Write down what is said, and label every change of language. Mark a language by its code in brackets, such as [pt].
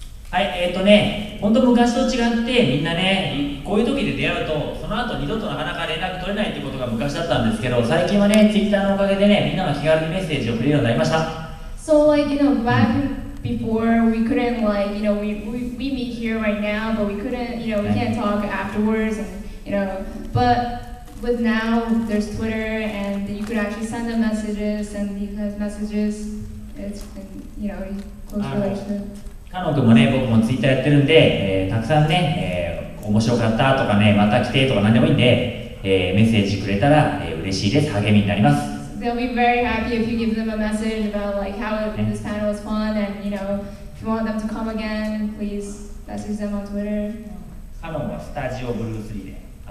[ja] はい、本当昔と違ってみんなね、こういう時で出会うとその後二度となかなか連絡取れないってことが昔だったんですけど、最近はね、Twitter のおかげでね、みんなが気軽にメッセージをくれるようになりました。 [en] So like, you know, back before we couldn't like, you know, we meet here right now, but we couldn't, you know, we can't talk afterwards and... You know, but with now there's Twitter and you could actually send them messages, send these messages. It's been, you know, close relationship. [ja] カノン君もね、僕もツイッターやってるんで、たくさんね、面白かったとかね、また来てとか何でもいいんで、メッセージくれたら、嬉しいです。励みになります。 [en] They'll be very happy if you give them a message about like how this panel was fun and you know if you want them to come again, please message them on Twitter. [ja] カノンはスタジオブルースリーで。